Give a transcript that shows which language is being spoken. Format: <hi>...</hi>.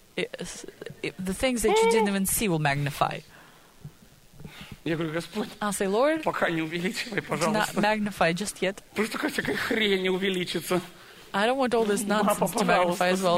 <en>The things that you didn't even see will magnify.</en> <ru>Я говорю, Господь,</ru> <en>I'll say, Lord,</en> <ru>пока не увеличивай, пожалуйста.</ru> <en>Do not magnify just yet.</en> <ru>Просто какая хрень не увеличится.</ru> <en>I don't want all this nonsense to magnify as well.</en>